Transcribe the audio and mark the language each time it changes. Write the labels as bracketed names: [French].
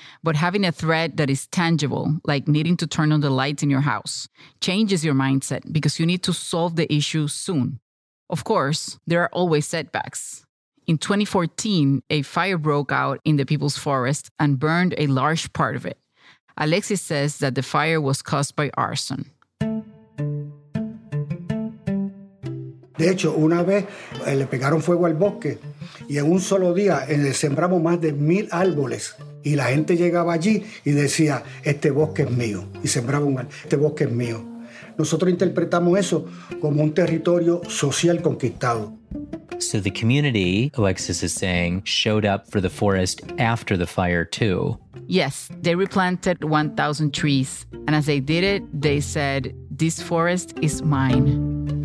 [English] But having a threat that is tangible, like needing to turn on the lights in your house, changes your mindset because you need to solve the issue soon. Of course, there are always setbacks. In 2014, a fire broke out in the People's Forest and burned a large part of it. Alexis says that the fire was caused by arson. [Spanish] De hecho, una vez le pegaron fuego al bosque y en un solo día sembramos más de 1,000 árboles y la gente llegaba allí y decía, este bosque es mío, y sembraba un este bosque es mío. Nosotros interpretamos eso como un territorio social conquistado. [English] So the community, Alexis is saying, showed up for the forest after the fire too. Yes, they replanted 1,000 trees. And as they did it, they said, this forest is mine.